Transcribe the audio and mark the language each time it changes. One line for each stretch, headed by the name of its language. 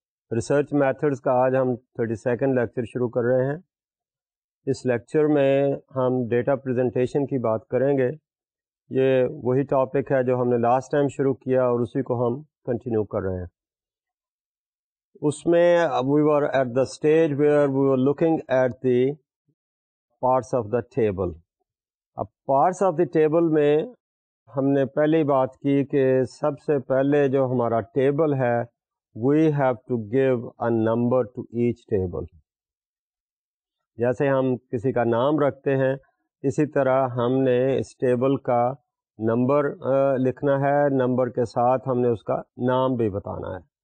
Urdu: Research methods کا آج ہم 32nd لیکچر شروع کر رہے ہیں. اس لیکچر میں ہم ڈیٹا پریزنٹیشن کی بات کریں گے. یہ وہی ٹاپک ہے جو ہم نے لاسٹ ٹائم شروع کیا اور اسی کو ہم کنٹینیو کر رہے ہیں.
English: اس میں we were at the stage where we were looking at the parts of the table.
Urdu: اب پارٹس آف دی ٹیبل میں ہم نے پہلی بات کی کہ سب سے پہلے جو ہمارا ٹیبل ہے
English: We have to give a number to each table.
Urdu: جیسے ہم کسی کا نام رکھتے ہیں اسی طرح ہم نے اس ٹیبل کا نمبر لکھنا ہے, نمبر کے ساتھ ہم نے اس کا نام بھی بتانا ہے.